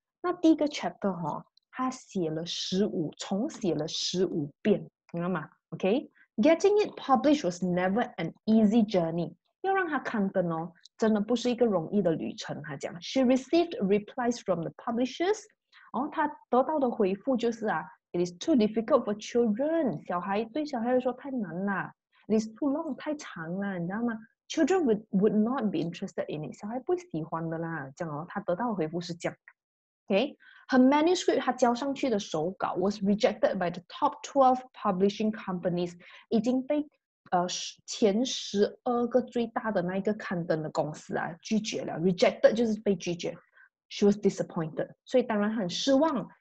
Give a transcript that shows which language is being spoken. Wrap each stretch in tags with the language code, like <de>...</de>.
<zh>那第一个 chapter 哈，他写了重写了15遍，你知道吗？OK，</zh> <en>getting it published was never an easy journey。</en> <zh>要让他刊登哦，真的不是一个容易的旅程。他讲，</zh> <en>She received replies from the publishers。</en> <zh>哦，他得到的回复就是啊。</zh> <en>It is too difficult for children。</en> <zh>小孩对小孩来说太难了。</zh> <en>It is too long，</en> <zh>太长了，你知道吗？</zh> <en>Children would not be interested in it。</en> <zh>小孩不喜欢的啦。这样哦，他得到的回复是这样。 OK，</zh> <en>her manuscript，</en> <zh>他交上去的手稿</zh> <en>was rejected by the top 12 publishing companies，</en> <zh>已经被前12个最大的那一个刊登的公司啊拒绝了。 Rejected 就是被拒绝。</zh> <en>She was disappointed，</en> <zh>所以当然很失望。</zh>